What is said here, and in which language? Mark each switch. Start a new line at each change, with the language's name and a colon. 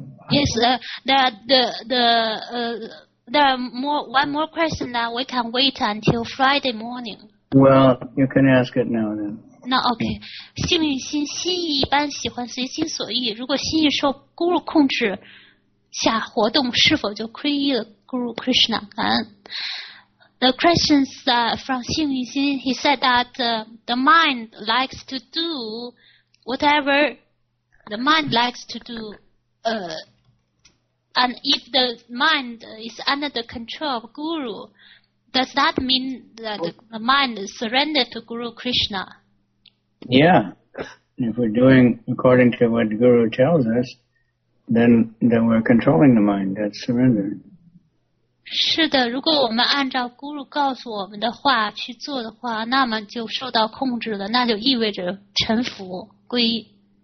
English: Yes, there are one more question that we can wait until Friday morning. Well, you can ask it now then. No, okay.
Chinese: 幸运心心意一般喜欢随心所欲。如果心意受孤入控制下活动，是否就皈依了Guru Krishna?
English: The questions from 幸运心, he said that the mind likes to do whatever the mind likes to do. And if the mind is under the control of Guru, Does that mean that the mind is surrendered to Guru Krishna? Yeah. If we're doing according to what Guru tells us, then we're controlling the mind. That's surrender.
Chinese: 是的，如果我们按照 Guru 告诉我们的话去做的话，那么就受到控制了，那就意味着臣服、皈依。